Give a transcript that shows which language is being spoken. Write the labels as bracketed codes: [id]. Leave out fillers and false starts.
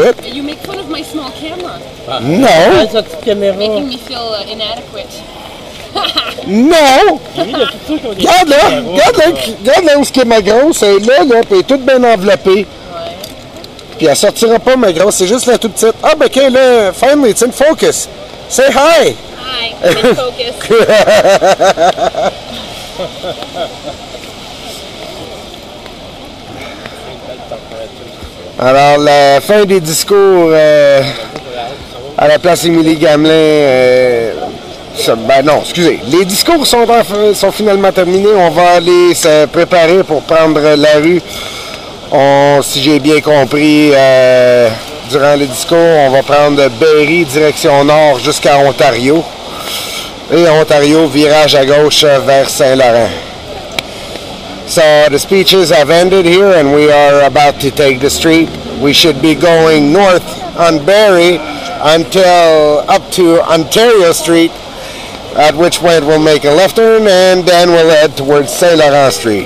[en] You make fun of my small camera. [fr] Non. Ah, sa petite caméra. [en] Making me feel inadequate. [fr] Non! Regarde là où est-ce qu'est ma grosse. Elle est là, puis elle est toute bien enveloppée. Puis elle sortira pas, ma grosse, c'est juste la toute petite. [en] Ah, ben, OK, là, finally, it's in focus. Say hi! Hi, I'm in focus. [fr] Alors, la fin des discours à la place Émilie Gamelin. Excusez. Les discours sont finalement terminés. On va aller se préparer pour prendre la rue. Si j'ai bien compris, durant le discours, on va prendre Berri direction nord jusqu'à Ontario. Et Ontario, virage à gauche vers Saint-Laurent. [en] So, the speeches have ended here and we are about to take the street. We should be going north on Berri until up to Ontario Street, at which point we'll make a left turn and then we'll head towards Saint-Laurent Street.